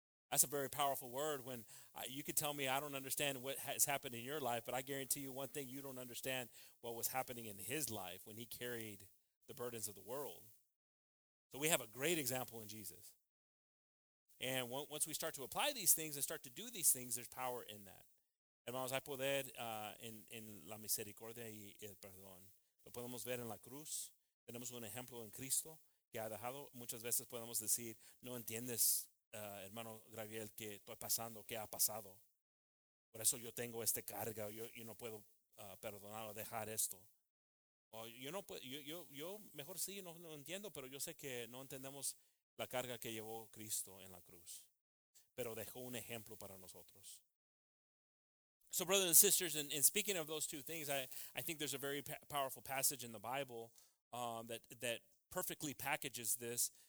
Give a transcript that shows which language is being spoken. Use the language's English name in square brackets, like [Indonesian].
[English] That's a very powerful word. When you could tell me I don't understand what has happened in your life, but I guarantee you one thing, you don't understand what was happening in his life when he carried the burdens of the world. So we have a great example in Jesus. And once we start to apply these things and start to do these things, there's power in that. [Spanish] Hermanos, hay poder en la misericordia y el perdón. Lo podemos ver en la cruz. Tenemos un ejemplo en Cristo que ha dejado. Muchas veces podemos decir, no entiendes, hermano Graviel, qué estoy pasando, qué ha pasado. Por eso yo tengo esta carga. Yo no puedo perdonar o dejar esto. O yo no puedo, yo mejor sí, no entiendo, pero yo sé que no entendemos la carga que llevó Cristo en la cruz. Pero dejó un ejemplo para nosotros. [English] So brothers and sisters, and speaking of those two things, I think there's a very powerful passage in the Bible that perfectly packages this.